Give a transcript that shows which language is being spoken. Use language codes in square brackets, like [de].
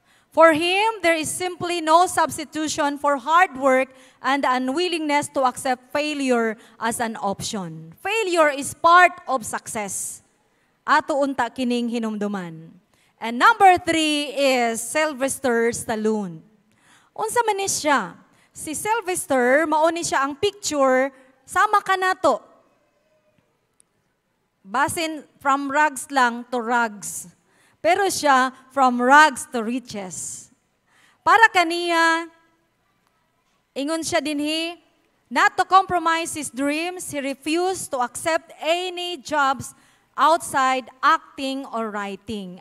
[en] For him, there is simply no substitution for hard work and the unwillingness to accept failure as an option. Failure is part of success. [ceb] Ato unta kining hinumduman. [en] And number three is Sylvester Stallone. [ceb] Unsa man siya? Si Sylvester, mauni siya ang picture, sama ka na to. Basin [en] from rags [ceb] lang [en] to rags. [ceb] Pero siya, [en] from rags to riches. [ceb] Para kaniya, ingon siya dinhi, [en] not to compromise his dreams, he refused to accept any jobs outside acting or writing.